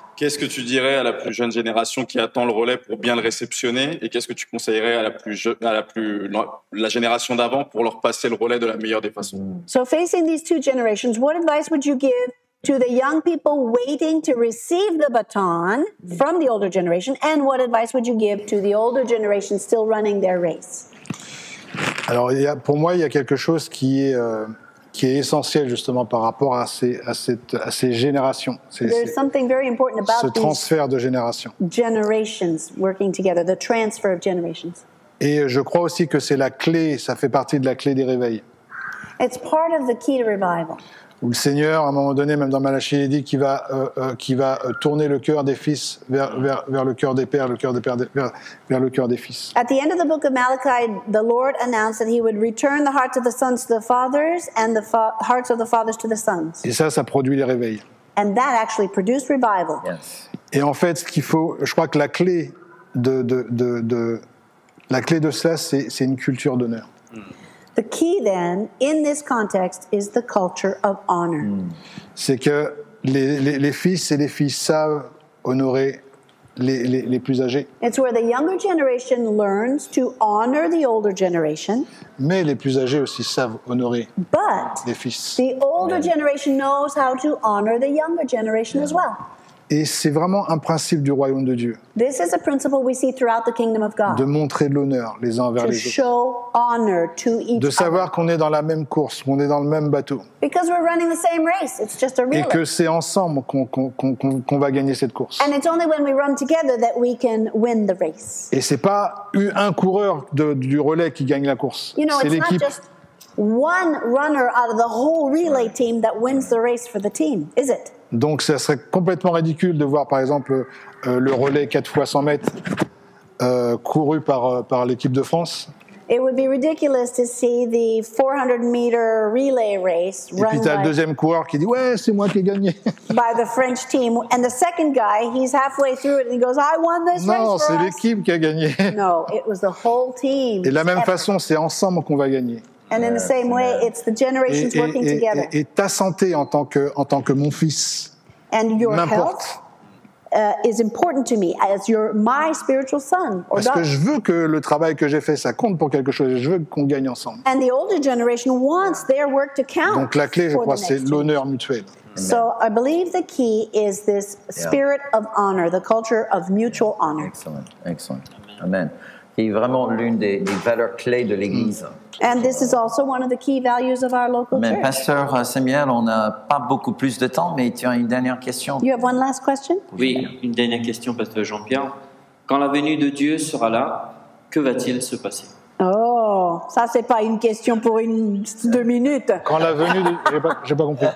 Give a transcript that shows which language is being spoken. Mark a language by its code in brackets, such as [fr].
[fr] Qu'est-ce que tu dirais à la plus jeune génération qui attend le relais pour bien le réceptionner, et qu'est-ce que tu conseillerais à la génération d'avant pour leur passer le relais de la meilleure des façons? [en] So facing these two generations, what advice would you give to the young people waiting to receive the baton from the older generation, and what advice would you give to the older generation still running their race? [fr] Alors, pour moi, il y a quelque chose qui est essentiel justement par rapport à ces générations. Ce transfert de générations. [en] Generations working together, the transfer of generations. [fr] Et je crois aussi que c'est la clé, ça fait partie de la clé des réveils. [en] It's part of the key to revival. [fr] Où le Seigneur, à un moment donné, même dans Malachie, il dit qu'il va tourner le cœur des fils vers le cœur des pères, vers le cœur des fils. [en] At the end of the book of Malachi, the Lord announced that he would return the hearts of the sons to the fathers and the hearts of the fathers to the sons. [fr] Et ça produit les réveils. [en] And that actually produced revival. Yes. [fr] Et en fait, ce qu'il faut, je crois que la clé de cela, c'est une culture d'honneur. [en] The key then in this context is the culture of honor. [fr] C'est que les fils et les filles savent honorer les plus âgés. [en] It's where the younger generation learns to honor the older generation. [fr] Mais les plus âgés aussi savent honorer [en] but [fr] les fils. [en] The older generation knows how to honor the younger generation as well. [fr] Et c'est vraiment un principe du royaume de Dieu. [en] This is a principle we see throughout the kingdom of God. [fr] De montrer de l'honneur les uns envers les autres. [en] To show honor to each other. [fr] De savoir qu'on est dans la même course, qu'on est dans le même bateau. [en] Because we're running the same race. It's just a relay. [fr] Et que c'est ensemble qu'on va gagner cette course. [en] And it's only when we run together that we can win the race. [fr] Et c'est pas un coureur du relais qui gagne la course. [en] You know, [fr] c'est l'équipe. [en] It's not just one runner out of the whole relay team that wins the race for the team, is it? [fr] Donc, ça serait complètement ridicule de voir, par exemple, le relais 4 x 100 mètres couru par l'équipe de France. [en] It would be ridiculous to see the 400 meter relay race run. [fr] Et puis t'as le deuxième coureur qui dit ouais, c'est moi qui ai gagné. [en] By the French team, and the second guy, he's halfway through it and he goes, I won this race. [fr] Non, c'est l'équipe qui a gagné. [en] No, it was the whole team. [fr] Et de la même façon, c'est ensemble qu'on va gagner. [en] And in the same way, it's the generations working together. [fr] Et ta santé en tant que mon fils. [en] And your [fr] m'importe. [en] Health is important to me as your my spiritual son or daughter. [fr] Parce que je veux que le travail que j'ai fait ça compte pour quelque chose. Je veux qu'on gagne ensemble. [en] And the older generation wants their work to count. [fr] Donc la clé, je crois, c'est l'honneur mutuel. [en] So I believe the key is this spirit of honor, the culture of mutual honor. Excellent. Amen. [fr] qui est vraiment l'une des valeurs clés de l'Église. [en] And this is also one of the key values of our local [fr] mais [en] church. [fr] Mais pasteur Samuel, on n'a pas beaucoup plus de temps, mais tu as une dernière question. [en] You have one last question? [fr] Oui, une dernière question, pasteur Jean-Pierre. Quand la venue de Dieu sera là, que va-t-il se passer? Oh, ça c'est pas une question pour une deux minutes. Quand la venue de j'ai pas compris.